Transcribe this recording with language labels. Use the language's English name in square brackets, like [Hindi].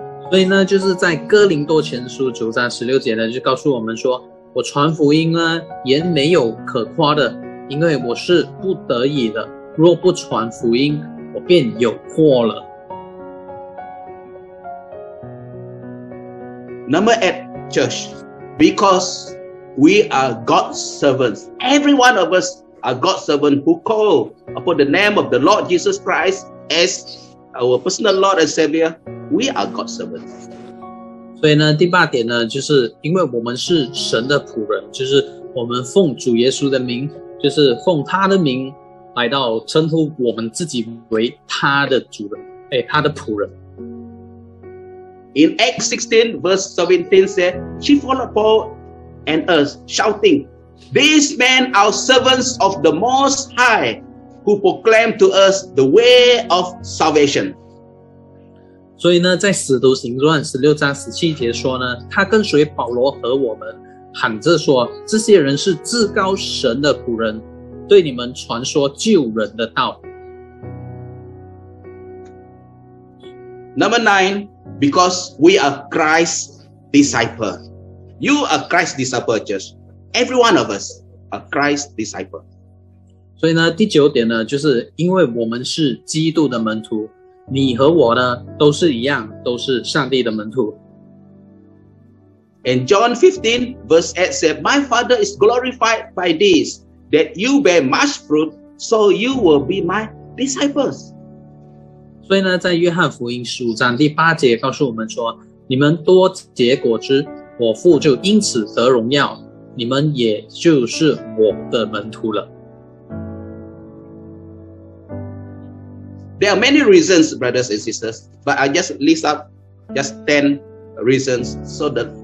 [Chinese] 所以呢，就是在哥林多前书九章十六节呢，就告诉我们说，我传福音呢，也没有可夸的。因为我是不得已的，若不传福音，我便有祸了。 [English] Number eight, church, because we are God's servants. Every one of us are God's servant who call upon the name of the Lord Jesus Christ as our personal Lord and Savior. We are God's servants. [Chinese] 所以呢，第八点呢，就是因为我们是神的仆人，就是我们奉主耶稣的名。就是奉他的名来到称呼我们自己为他的主人，哎，他的仆人。 [English] In Acts 16 verse 17 said, "She followed Paul and us, shouting, 'These men are servants of the Most High, who proclaim to us the way of salvation.'" [Chinese] 所以呢，在使徒行传十六章十七节说呢，他跟随保罗和我们。喊着说，这些人是至高神的仆人，对你们传说救人的道。 [English] Number nine, because we are Christ's disciple. You are Christ's disciple, just every one of us are Christ's disciple. [Chinese] 所以呢，第九点呢，就是因为我们是基督的门徒，你和我呢，都是一样，都是上帝的门徒。 [English] And John 15 verse 8 said, "My Father is glorified by this, that you bear much fruit, so you will be my disciples." [Chinese] 所以呢，在约翰福音十五章第八节告诉我们说，你们多结果子，我父就因此得荣耀，你们也就是我的门徒了。 [English] There are many reasons, brothers and sisters, but I just list up just 10 reasons so that.